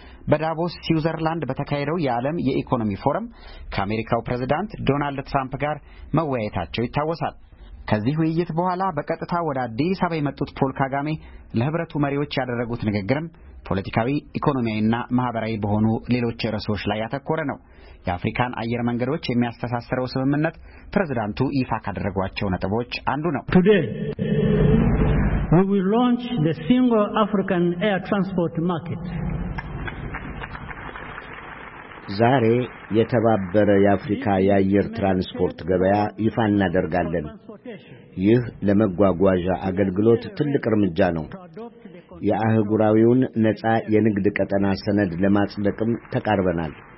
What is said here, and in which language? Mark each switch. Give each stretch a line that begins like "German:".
Amharic: በዳቮስ ስዊዘርላንድ በተካሄደው የዓለም የኢኮኖሚ ፎረም ከአሜሪካው ፕሬዝዳንት ዶናልድ ትራምፕ ጋር መወያየታቸው ይታወሳል። ከዚህ ውይይት በኋላ በቀጥታ ወደ አዲስ አበባ የመጡት ፖል ካጋሜ ለህብረቱ መሪዎች ያደረጉት ንግግርም ፖለቲካዊ፣ ኢኮኖሚያዊና ማህበራዊ በሆኑ ሌሎች ርዕሶች ላይ ያተኮረ ነው። የአፍሪካን አየር መንገዶች የሚያስተሳስረው ስምምነት ፕሬዝዳንቱ ይፋ ካደረጓቸው ነጥቦች አንዱ ነው።
English: Today we will launch the single African air transport market.
Amharic: ዛሬ የተባበረ የአፍሪካ የአየር ትራንስፖርት ገበያ ይፋ እናደርጋለን። ይህ ለመጓጓዣ አገልግሎት ትልቅ እርምጃ ነው። የአህጉራዊውን ነጻ የንግድ ቀጠና ሰነድ ለማጽደቅም ተቃርበናል።